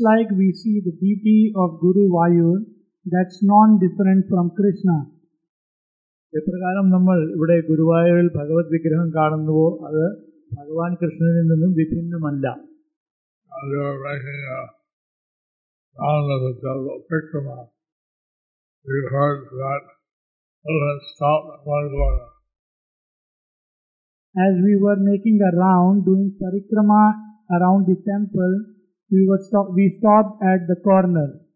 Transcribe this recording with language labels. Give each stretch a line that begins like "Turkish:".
English: like we see the deity of Guru Vayur, that's non-different from Krishna.
Malayalam: എപ്രകാരം നമ്മൾ ഇവിടെ ഗുരുവായൂരിൽ ഭഗവത് വിഗ്രഹം കാണുന്നുവോ അത് ഭഗവാൻ കൃഷ്ണനിൽ നിന്നും വിഭിന്നമല്ല.
English: And they were making a round of the devil Vikrama. We heard that elephant stopped at one corner. As we were making a round, doing parikrama around the temple, we stopped at the corner.